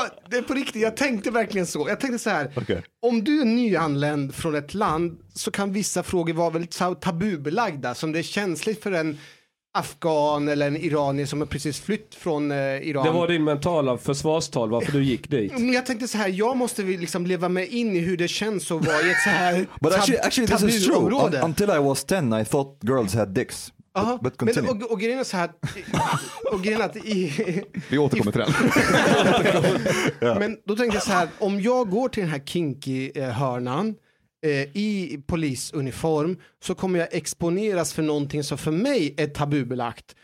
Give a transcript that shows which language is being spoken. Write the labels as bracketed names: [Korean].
[Swedish] Det är på riktigt, jag tänkte verkligen så. Jag tänkte så här, om du är nyanländ från ett land så kan vissa frågor vara väldigt tabubelagda, som det är känsligt för en afghan eller en iranier som har precis flytt från Iran. Det var din mentala försvarstal varför du gick dit. Jag tänkte så här, jag måste liksom leva mig in i hur det känns att vara i ett så här tabuområde. [English] Until I was 10 I thought girls had dicks. [Swedish] Men och grejen är så här, och grejen att vi återkommer till den. Men då tänkte jag så här, om jag går till den här kinky hörnan i polisuniform så kommer jag exponeras för någonting som för mig är tabubelagt.